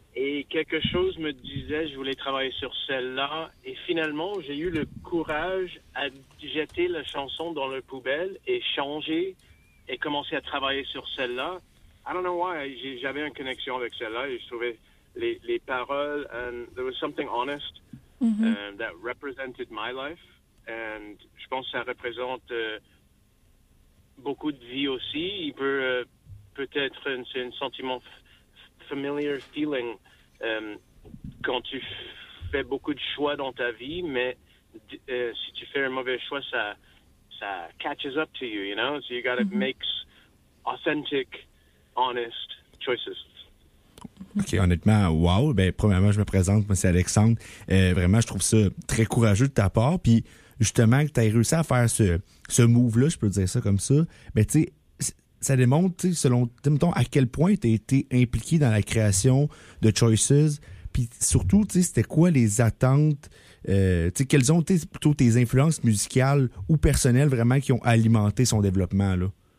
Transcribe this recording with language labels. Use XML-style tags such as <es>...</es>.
<fr>Et quelque chose me disait, je voulais travailler sur celle-là. Et finalement, j'ai eu le courage à jeter la chanson dans la poubelle et changer et commencer à travailler sur celle-là.</fr> <en>I don't know why,</en> <fr>j'avais une connexion avec celle-là et je trouvais les paroles.</fr> <en>And there was something honest that represented my life.</en> <fr>And je pense que ça représente beaucoup de vie aussi. Il peut peut-être, c'est un sentiment</fr> <en>familiar feeling</en> <fr>quand tu fais beaucoup de choix dans ta vie, mais si tu fais un mauvais choix, ça</fr> <en>catches up to you, you know? So you gotta make authentic, honest choices.</en> <fr>OK, honnêtement, wow! Ben, premièrement, je me présente, moi, c'est Alexandre. Vraiment, je trouve ça très courageux de ta part, puis justement, que tu aies réussi à faire ce move-là, je peux dire ça comme ça, ben, tu sais, ça démontre, tu sais, selon, mettons, à quel point tu as été impliqué dans la création de Choices, puis surtout, tu sais, c'était quoi les attentes, tu sais, quelles ont été plutôt tes influences musicales ou personnelles vraiment qui ont alimenté son développement, là?</fr>